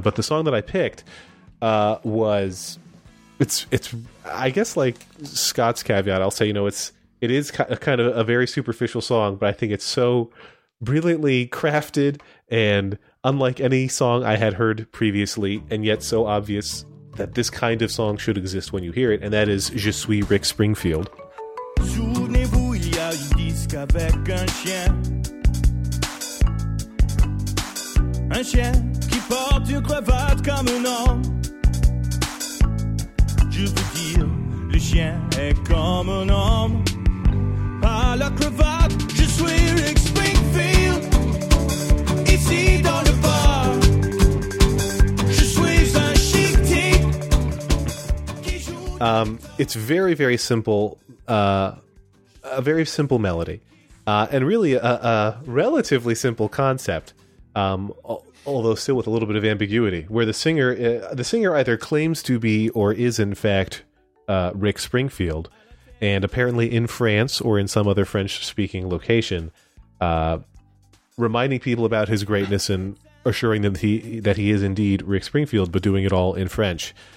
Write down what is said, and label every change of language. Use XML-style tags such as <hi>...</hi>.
<en>But the song that I picked was I guess like Scott's caveat, I'll say, you know, it is kind of a very superficial song, but I think it's so brilliantly crafted and unlike any song I had heard previously, and yet so obvious that this kind of song should exist when you hear it, and that is Je Suis Rick Springfield.</en> <fr>Souvenez-vous, il y a une disque avec un chien. Un chien qui porte une cravate comme un homme. Je veux dire, le chien est comme un homme. Par la cravate, je suis Rick Springfield. Ici dans le bar, je suis un chic type.</fr> <en>It's very, very simple. A very simple melody, and really a relatively simple concept, although still with a little bit of ambiguity, where the singer either claims to be or is in fact Rick Springfield, and apparently in France or in some other French-speaking location, reminding people about his greatness and assuring them that he is indeed Rick Springfield, but doing it all in French.</en>